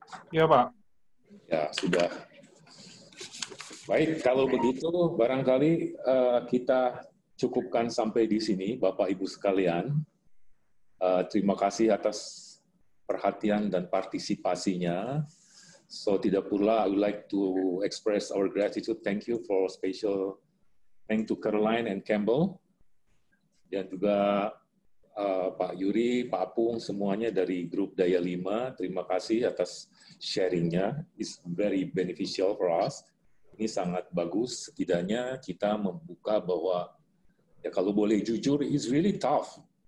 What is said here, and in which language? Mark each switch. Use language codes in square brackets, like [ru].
[id] Iya, Pak. Ya, sudah. Baik, kalau begitu barangkali kita cukupkan sampai di sini, Bapak-Ibu sekalian. Terima kasih atas perhatian dan partisipasinya. [en] So, [id] tidak pula, [en] I would like to express our gratitude. Thank you for special thanks to Caroline and Campbell. [id] Dan juga Pak Yuri, Pak Apung, semuanya dari grup Daya 5. Terima kasih atas sharingnya. [en] It's very beneficial for us. [id] Ini sangat bagus, setidaknya kita membuka bahwa ya kalau boleh jujur, [en] it's really tough.